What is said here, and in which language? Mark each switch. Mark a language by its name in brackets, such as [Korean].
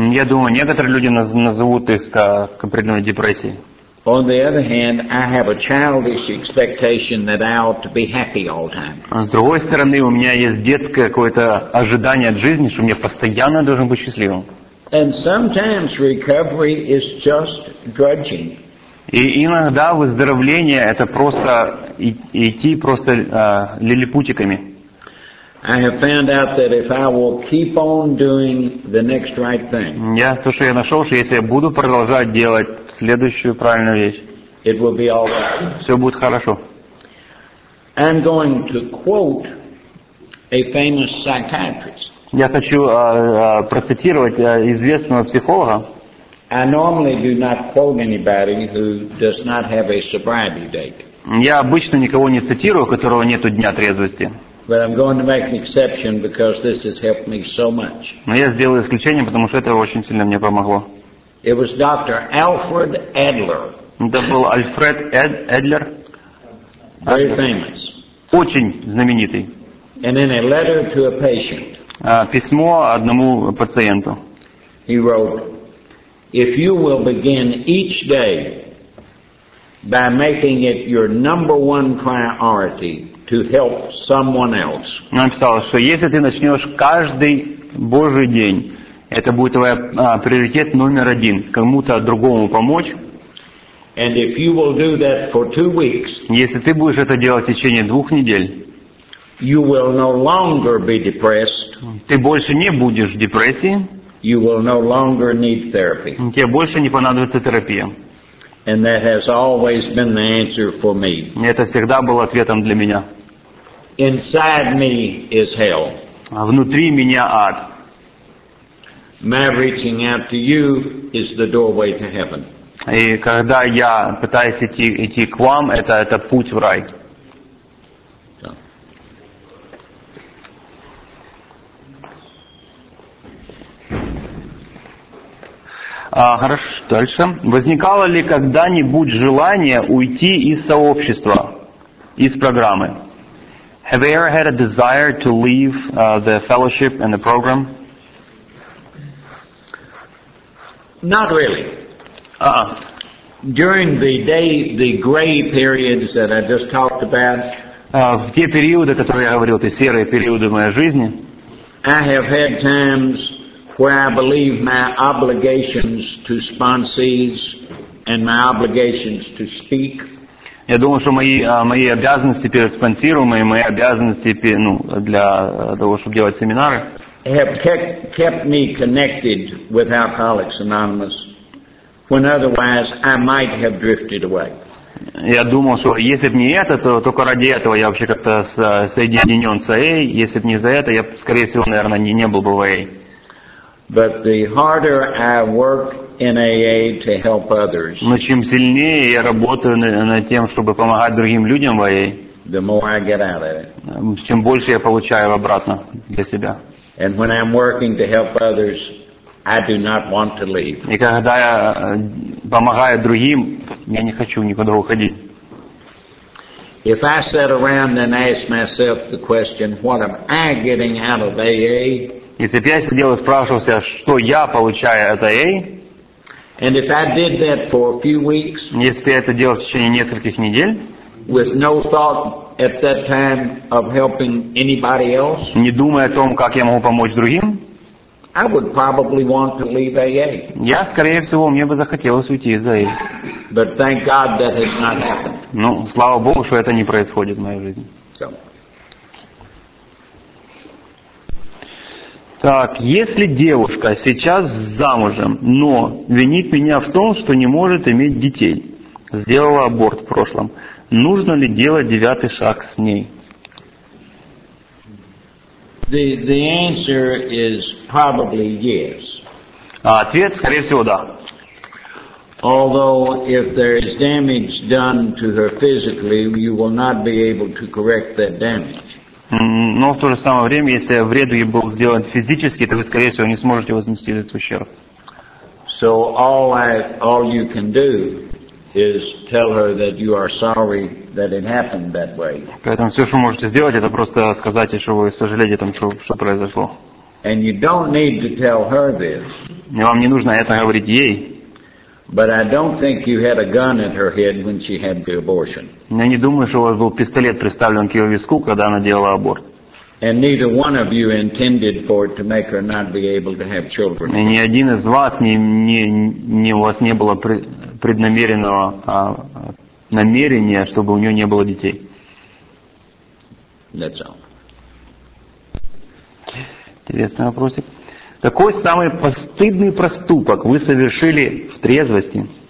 [Russian] Я думаю, некоторые люди назовут их как определенной депрессией. [English] On the other hand, I have a childish expectation that I ought to be happy all the time. [Russian] С другой стороны, у меня есть детское какое-то ожидание от жизни, что мне постоянно должен быть счастливым. [English] And sometimes recovery is just drudging. [Russian] И иногда выздоровление это просто идти просто лилипутиками. [English] I have found out that if I will keep on doing the next right thing. [Russian] Я то, что я нашел, что если я буду продолжать делать следующую правильную вещь, [English] it will be all right. [Russian] Все будет хорошо. [English] I'm going to quote a famous psychiatrist. [Russian] Я хочу процитировать известного психолога. [English] I normally do not quote anybody who does not have a sobriety date. [Russian] Я обычно никого не цитирую, у которого нет дня трезвости. [English] But I'm going to make an exception because this has helped me so much. [Russian] Но я сделал исключение, потому что это очень сильно мне помогло. [English] It was Dr. Alfred Adler. [Russian] Это был Альфред Эдлер. [English] Very famous. [Russian] Очень знаменитый. [English] And in a letter to a patient. [Russian] Письмо одному пациенту. [English] He wrote, "If you will begin each day by making it your number one priority to help someone else." [Russian] Написал, что если ты начнешь каждый Божий день, это будет твоя приоритет номер один, кому-то другому помочь. [English] And if you will do that for 2 weeks, [Russian] если ты будешь это делать в течение 2 недель. [English] You will no longer be depressed. [Russian] Ты больше не будешь в депрессии. [English] You will no longer need therapy. [Russian] Тебе больше не понадобится терапия. [English] And that has always been the answer for me. [Russian] Это всегда было ответом для меня. [English] Inside me is hell. [Russian] А внутри меня ад. [English] My reaching out to you is the doorway to heaven. [Russian] И когда я пытаюсь идти к вам, это путь в рай. Хорошо, дальше. Возникало ли когда-нибудь желание уйти из сообщества, из программы? [English] Have you ever had a desire to leave the fellowship and the program? Not really. During the day, the gray periods that I just talked about. [Russian] В те периоды, которые я говорил, те серые периоды в моей жизни. [English] I have had times where I believe my obligations to sponsees and my obligations to speak. [Russian] Я думаю, что мои обязанности перед спонсируемым, и мои обязанности для того, чтобы делать семинары, [English] have kept me connected with Alcoholics Anonymous, when otherwise I might have drifted away. [Russian] Я думал, что если бы не это, то только ради этого я вообще как-то соединен с АА. Если бы не за это, я, скорее всего, наверное, не был бы в АА. [English] But the harder I work in AA to help others, [Russian] но чем сильнее я работаю над тем, чтобы помогать другим людям в АА, [English] the more I get out of it. [Russian] Чем больше я получаю обратно для себя. [English] And when I'm working to help others, I do not want to leave. [Russian] И когда я помогаю другим, я не хочу никуда уходить. [English] If I sat around and asked myself the question, what am I getting out of AA? [Russian] Если бы я сидел и спрашивал себя, что я получаю от АА, [English] and if I did that for a few weeks, [Russian] если бы я это делал в течение нескольких недель, [English] with no thought at that time of helping anybody else, [Russian] не думая о том, как я могу помочь другим, [English] I would probably want to leave AA. [Russian] Я, скорее всего, мне бы захотелось уйти из АА. [English] But thank God that has not happened. [Russian] Ну, слава Богу, что это не происходит в моей жизни. [English] So. [Russian] Так, если девушка сейчас замужем, но винит меня в том, что не может иметь детей, сделала аборт в прошлом, нужно ли делать девятый шаг с ней? [English] The answer is probably yes. [Russian] Ответ, скорее всего, да. [English] Although if there is damage done to her physically, you will not be able to correct that damage. [Russian] Но в то же самое время, если вред ей был сделан физически, то вы, скорее всего, не сможете вознести этот ущерб. [English] So all you can do is tell her that you are sorry that it happened that way. [Russian] Поэтому все, что вы можете сделать, это просто сказать ей, что вы сожалеете о том, что произошло. [English] And you don't need to tell her this. [Russian] И вам не нужно это говорить ей. [English] But I don't think you had a gun at her head when she had the abortion. [Russian] Я не думаю, что у вас был пистолет приставлен к ее виску, когда она делала аборт. [English] And neither one of you intended for it to make her not be able to have children. [Russian] И ни один из вас не у вас не было преднамеренного намерения, чтобы у нее не было детей. [English] That's all. [Russian] Интересный вопросик. Какой самый постыдный проступок вы совершили в трезвости?